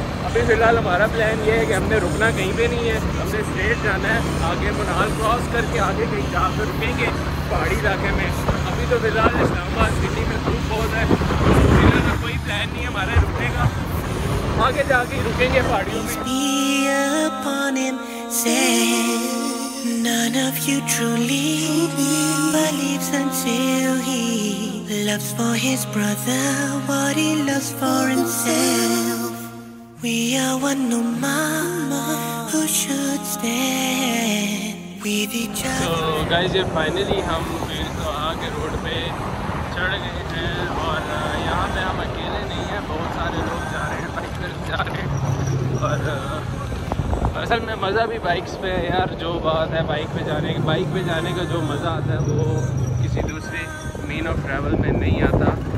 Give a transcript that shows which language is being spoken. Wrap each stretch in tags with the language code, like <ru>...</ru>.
<hi>अभी फ़िलहाल हमारा प्लान ये है कि हमने रुकना कहीं पे नहीं है, हमने स्ट्रेट जाना है आगे, मुनाल क्रॉस करके आगे कहीं जा कर रुकेंगे पहाड़ी इलाके में। अभी तो फ़िलहाल इस्लामाबाद सिटी में धूप बहुत है, फिलहाल तो कोई प्लान नहीं है हमारा रुकने का, आगे जाके रुकेंगे पहाड़ियों में।</hi> <en>None of you truly believes until he loves for his brother what he loves for himself. We are one ummah who should stand with each other. So guys,</en> <hi>ये finally हम फिर तो आगे रोड पे चढ़ गए हैं, और यहाँ पे हम अकेले नहीं हैं, बहुत सारे लोग जा रहे हैं, बाइक पर जा रहे हैं। और असल में मज़ा भी बाइक्स पे है यार, जो बात है बाइक पे जाने का जो मज़ा आता है वो किसी दूसरे मीन ऑफ ट्रैवल में नहीं आता।</hi>